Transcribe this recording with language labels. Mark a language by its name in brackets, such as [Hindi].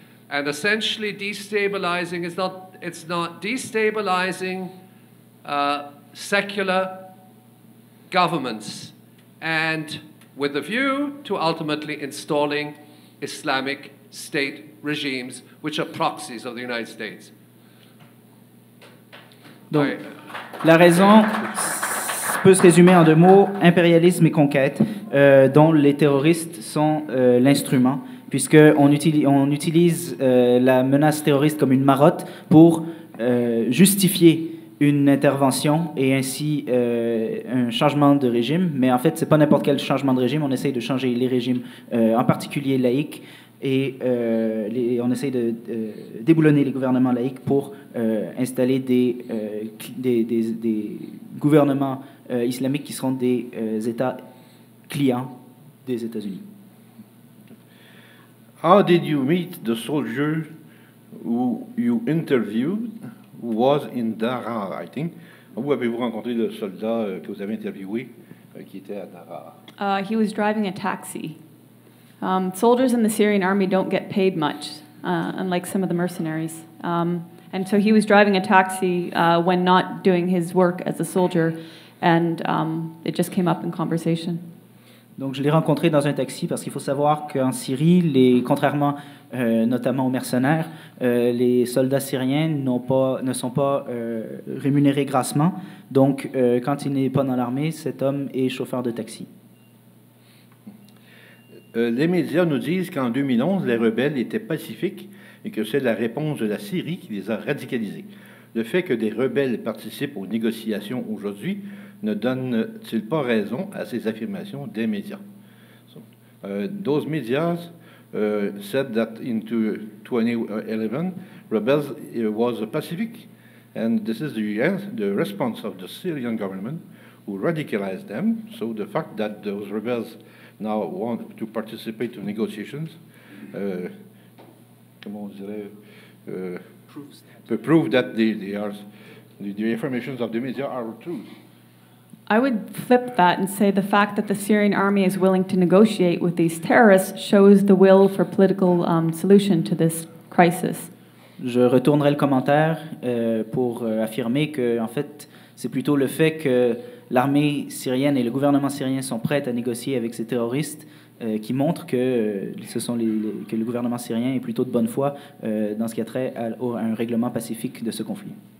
[English] And essentially destabilizing secular governments, and with a view to ultimately installing Islamic State regimes, which are proxies of the United States. [French] Donc, la raison peut se résumer en deux mots, impérialisme et conquête, dont les terroristes sont l'instrument, puisqu'on utilise la menace terroriste comme une marotte pour justifier une intervention et ainsi un changement de régime. Mais en fait, ce n'est pas n'importe quel changement de régime, on essaye de changer les régimes, en particulier laïques, et on essaye de déboulonner les gouvernements laïcs pour installer des gouvernements islamiques qui seront des États clients des États-Unis. [English] How did you meet the soldier who you interviewed who was in Daraa, I think? [French] Où avez-vous rencontré le soldat que vous avez interviewé qui était à Daraa? [English] He was driving a taxi. Soldiers in the Syrian army don't get paid much, unlike some of the mercenaries. And so he was driving a taxi when not doing his work as a soldier, and it just came up in conversation. [French] Donc je l'ai rencontré dans un taxi parce qu'il faut savoir qu'en Syrie, contrairement notamment aux mercenaires, les soldats syriens ne sont pas rémunérés grassement. Donc quand il n'est pas dans l'armée, cet homme est chauffeur de taxi. Les médias nous disent qu'en 2011, les rebelles étaient pacifiques et que c'est la réponse de la Syrie qui les a radicalisés. Le fait que des rebelles participent aux négociations aujourd'hui ne donne-t-il pas raison à ces affirmations des médias? [English] Those medias said that in 2011, rebels was pacific, and this is the response of the Syrian government who radicalized them. So the fact that those rebels now want to participate to negotiations, proves that the informations of the media are true. I would flip that and say the fact that the Syrian army is willing to negotiate with these terrorists shows the will for political solution to this crisis. [French] Je retournerai le commentaire pour affirmer que en fait c'est plutôt le fait que l'armée syrienne et le gouvernement syrien sont prêts à négocier avec ces terroristes qui montrent que que le gouvernement syrien est plutôt de bonne foi dans ce qui a trait à un règlement pacifique de ce conflit.